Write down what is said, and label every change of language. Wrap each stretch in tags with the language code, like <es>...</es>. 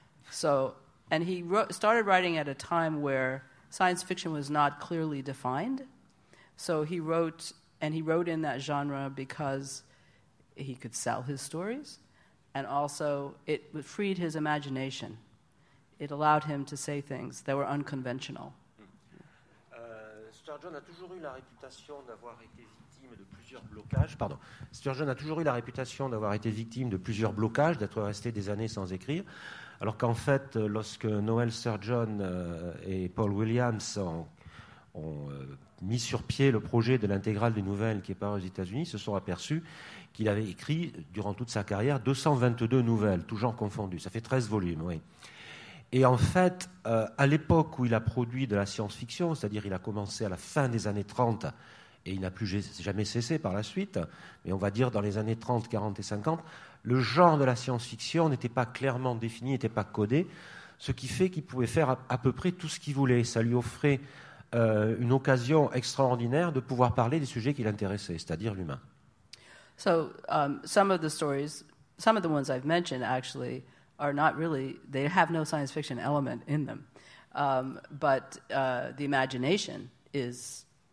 <en>So he started writing at a time where science fiction was not clearly defined. So he wrote, and he wrote in that genre because he could sell his stories. And also, it freed his imagination. It allowed him to say things that were unconventional.</en> <fr>Sturgeon a toujours eu la réputation d'avoir été victime de plusieurs blocages. Pardon. Sturgeon a toujours eu la réputation d'avoir été victime de plusieurs blocages, d'être resté des années sans écrire. Alors qu'en fait, lorsque Noël Sturgeon et Paul Williams ont mis sur pied le projet de l'intégrale des nouvelles qui est paru aux États-Unis, se sont aperçus qu'il avait écrit, durant toute sa carrière, 222 nouvelles, tout genre confondu. Ça fait 13 volumes, oui. Et en fait, à l'époque où il a produit de la science-fiction, c'est-à-dire il a commencé à la fin des années 30, et il n'a plus jamais cessé par la suite, mais on va dire dans les années 30, 40 et 50, le genre de la science-fiction n'était pas clairement défini, n'était pas codé, ce qui fait qu'il pouvait faire à peu près tout ce qu'il voulait. Ça lui offrait une occasion extraordinaire de pouvoir parler des sujets qui l'intéressaient, c'est-à-dire l'humain.</fr> <en>So some of the ones I've mentioned actually are not really, they have no science fiction element in them. But the imagination is</en>